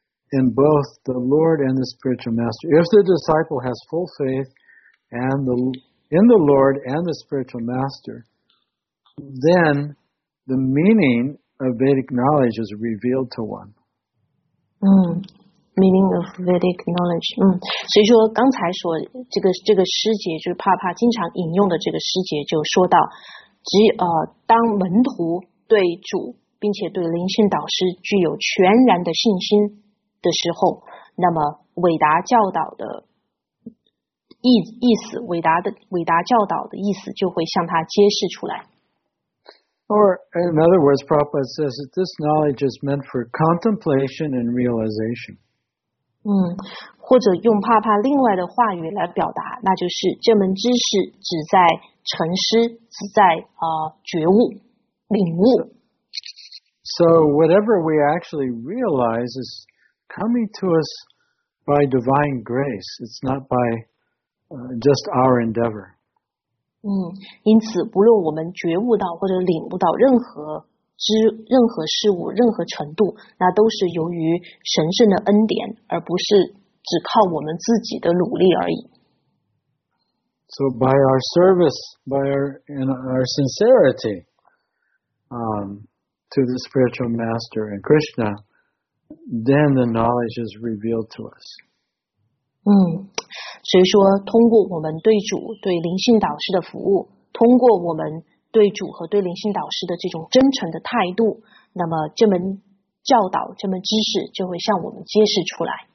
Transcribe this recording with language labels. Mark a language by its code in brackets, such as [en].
[en] In both the Lord and the spiritual master. If the disciple has full faith in the Lord and the spiritual master, then the meaning of Vedic knowledge is revealed to one. Meaning of Vedic knowledge. [zh] 所以说刚才说这个诗节，就是帕帕经常引用的这个诗节，就说到当门徒对主并且对灵性导师具有全然的信心的时候，那么伟达教导的意思，伟达教导的意思就会向他揭示出来。 [en] Or in other words, Prabhupada says that this knowledge is meant for contemplation and realization. [zh] 或者用帕帕另外的话语来表达，那就是这门知识只在沉思，只在觉悟、领悟。 [en] So whatever we actually realize is. Coming to us by divine grace, it's not by just our endeavor. [zh] 因此不论我们觉悟到或者领悟到任何事物、任何程度，那都是由于神圣的恩典，而不是只靠我们自己的努力而已。 [en] So by our service, by our sincerity, to the spiritual master and Krishna. Then the knowledge is revealed to us. [zh] 所以说通过我们对主对灵性导师的服务，通过我们对主和对灵性导师的这种真诚的态度，那么这门教导，这门知识就会向我们揭示出来。